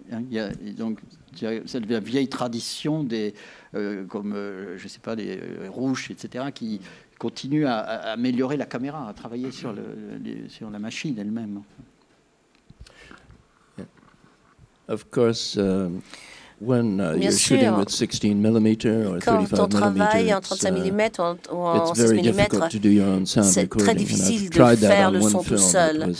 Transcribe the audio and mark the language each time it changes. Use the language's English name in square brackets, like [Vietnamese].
[French] Il y a donc cette vieille tradition des, comme je sais pas, des rouches, etc., qui continue à améliorer la caméra, à travailler sur sur la machine elle-même. [English] Of course, when you're shooting with 16 millimeter or 35 millimeter, [French] quand on travaille en 35 mm ou en 16 mm, c'est très difficile de faire le son tout seul.